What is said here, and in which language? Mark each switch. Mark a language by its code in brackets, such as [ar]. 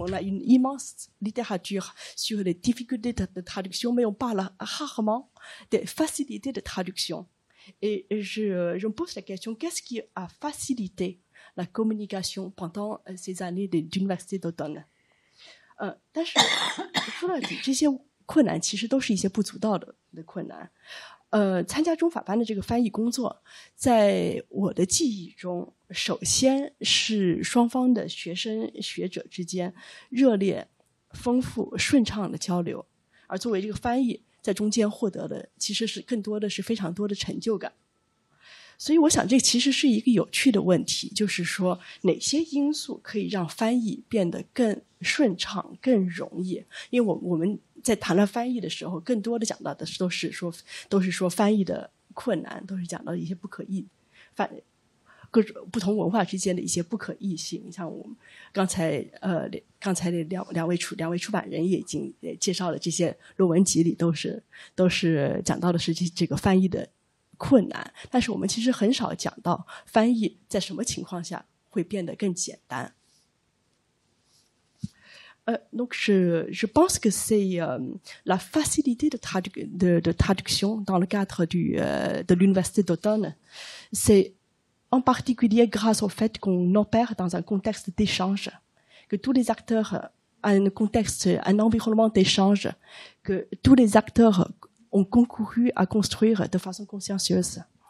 [fr] On a une immense littérature sur les difficultés de traduction, mais on parle rarement des facilités de traduction. Et je me pose la question, qu'est-ce qui a facilité la communication pendant ces années d'université d'automne ? [zh] 但是说到底，这些困难其实都是一些不足道的困难。参加中法班的这个翻译工作，在我的记忆中，首先是双方的学生学者之间热烈、丰富、顺畅的交流，而作为这个翻译，在中间获得的其实是更多的是非常多的成就感。所以我想这其实是一个有趣的问题，就是说哪些因素可以让翻译变得更顺畅更容易。因为我们在谈论翻译的时候，更多的讲到的都是说翻译的困难，都是讲到一些不可译翻各种不同文化之间的一些不可译性。像我们刚才的两位出版人也已经也介绍了这些论文集里都是讲到的是这个翻译的困难，但是我们其实很少讲到翻译在什么情况下会变得更简单。 [fr] Donc je pense que c'est la facilité de traduction dans le cadre de l'université d'automne. C'est en particulier grâce au fait qu'on opère dans un contexte d'échange, que tous les acteurs ont un environnement d'échange, que tous les acteurs ont concouru à construire de façon consciencieuse.